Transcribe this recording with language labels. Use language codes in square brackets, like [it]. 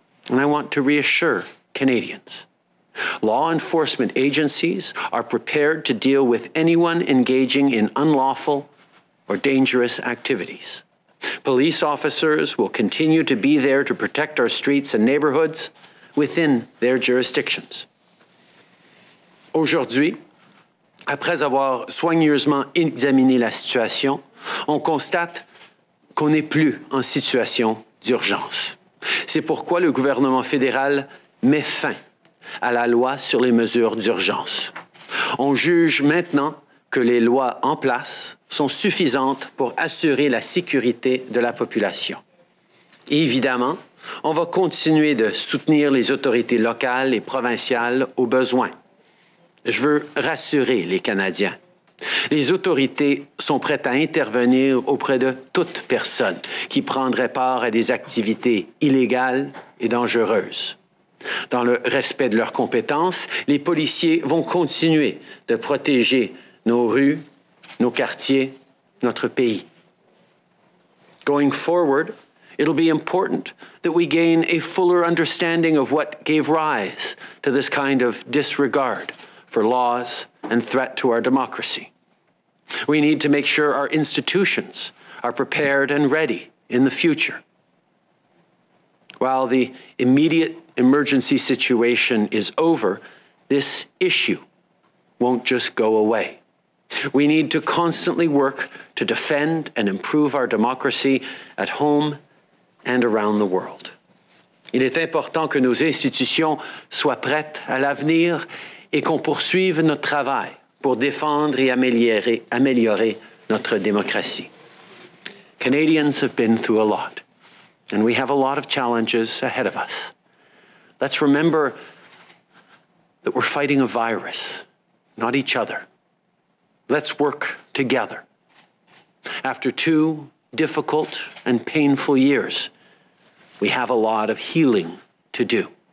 [en] And I want to reassure Canadians. Law enforcement agencies are prepared to deal with anyone engaging in unlawful or dangerous activities. Police officers will continue to be there to protect our streets and neighborhoods within their jurisdictions. [fr] Aujourd'hui, après avoir soigneusement examiné la situation, on constate qu'on n'est plus en situation d'urgence. C'est pourquoi le gouvernement fédéral met fin à la loi sur les mesures d'urgence. On juge maintenant que les lois en place sont suffisantes pour assurer la sécurité de la population. Évidemment, on va continuer de soutenir les autorités locales et provinciales aux besoins. Je veux rassurer les Canadiens. Les autorités sont prêtes à intervenir auprès de toute personne qui prendrait part à des activités illégales et dangereuses. Dans le respect de leurs compétences, les policiers vont continuer de protéger nos rues, nos quartiers, notre pays. [en] Going forward, it'll be important that we gain a fuller understanding of what gave rise to this kind of disregard for laws and threat to our democracy. We need to make sure our institutions are prepared and ready in the future. While the immediate emergency situation is over, this issue won't just go away. We need to constantly work to defend and improve our democracy at home and around the world. [fr] Il est important que nos institutions soient prêtes à l'avenir et qu'on poursuive notre travail pour défendre et améliorer notre démocratie. [en] Canadians have been through a lot, and we have a lot of challenges ahead of us. Let's remember that we're fighting a virus, not each other. Let's work together. After two difficult and painful years, we have a lot of healing to do.